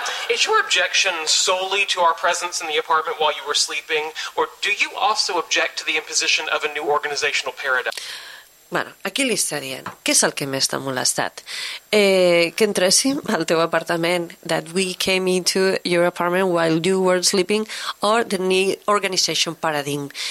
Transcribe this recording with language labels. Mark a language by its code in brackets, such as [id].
[en] Is your objection solely to our presence in the apartment while you were sleeping, or do you also object to the imposition of a new organizational paradigm? [ca] Bueno, aquí li està dient, què és el que més t'ha molestat? Que entréssim al teu apartament, [en] that we came into your apartment while you were sleeping, or the new organization paradigm.